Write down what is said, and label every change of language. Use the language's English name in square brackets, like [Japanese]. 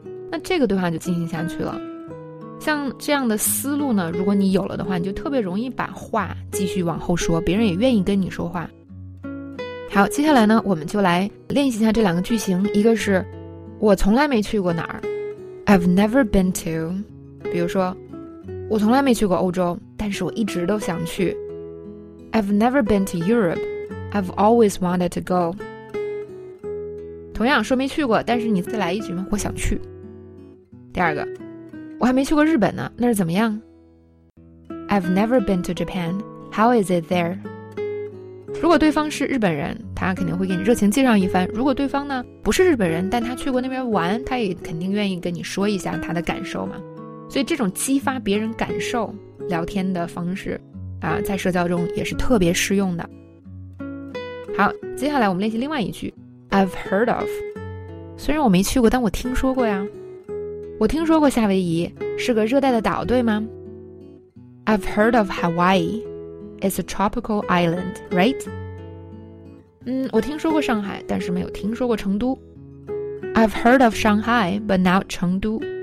[Chinese] 那这个对话就进行下去了。像这样的思路呢，如果你有了的话，你就特别容易把话继续往后说，别人也愿意跟你说话。好，接下来呢我们就来练习一下这两个句型。一个是我从来没去过哪儿， [English] I've never been to, [Chinese] 比如说我从来没去过欧洲，但是我一直都想去。 [English] I've never been to Europe, I've always wanted to go. [Chinese] 同样说没去过，但是你再来一句吗？我想去。第二个，我还没去过日本呢，那是怎么样？ [English] I've never been to Japan, how is it there? [Chinese] 如果对方是日本人，他肯定会给你热情介绍一番。如果对方呢不是日本人，但他去过那边玩，他也肯定愿意跟你说一下他的感受嘛。所以这种激发别人感受聊天的方式啊，在社交中也是特别适用的。好，接下来我们练习另外一句。 [English] I've heard of, [Chinese] 虽然我没去过，但我听说过呀。我听说过夏威夷是个热带的岛，对吗？ [English] I've heard of Hawaii, it's a tropical island, right? [Chinese] 我听说过上海，但是没有听说过成都。 [English] I've heard of Shanghai, but not [Chinese] 成都。